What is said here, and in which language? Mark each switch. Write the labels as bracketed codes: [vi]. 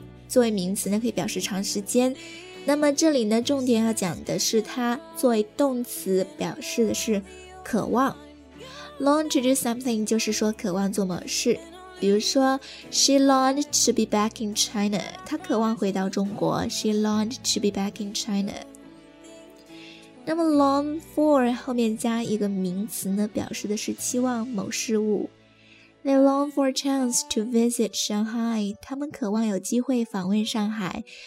[zh] 作为名词呢可以表示长时间。那么这里呢重点要讲的是它作为动词表示的是渴望。 [en] Long to do something [zh] 就是说渴望做某事，比如说 [en] She longed to be back in China， [zh] 她渴望回到中国。 [en] She longed to be back in China。 [zh] 那么 long for 后面加一个名词呢表示的是期望某事物。 [en] They long for a chance to visit Shanghai， [zh] 他们渴望有机会访问上海。